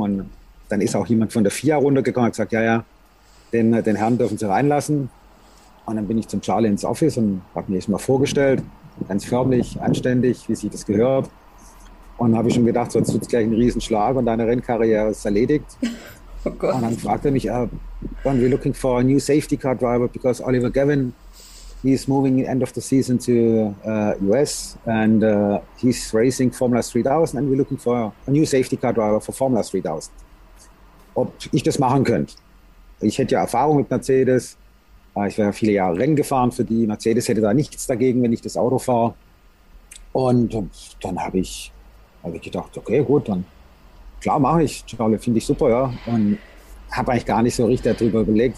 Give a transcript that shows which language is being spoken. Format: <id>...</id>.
<de>Und dann ist auch jemand von der FIA runtergekommen und hat gesagt, ja, den Herrn dürfen Sie reinlassen. Und dann bin ich zum Charlie ins Office und habe mir das mal vorgestellt, ganz förmlich, anständig, wie sich das gehört. Und habe ich schon gedacht, sonst wird es gleich ein Riesenschlag und deine Rennkarriere ist erledigt. Oh Gott. Und dann fragt er mich,</de> <en>when we're looking for a new safety car driver, because Oliver Gavin, he is moving end of the season to US and he's racing Formula 3000 and we're looking for a new safety car driver for Formula 3000.</en> <de>Ob ich das machen könnte. Ich hätte ja Erfahrung mit Mercedes. Ich wäre viele Jahre Rennen gefahren für die. Mercedes hätte da nichts dagegen, wenn ich das Auto fahre. Und dann habe ich gedacht, okay, gut, dann klar mache ich. Charlie, finde ich super, ja. Und habe eigentlich gar nicht so richtig darüber überlegt.</de>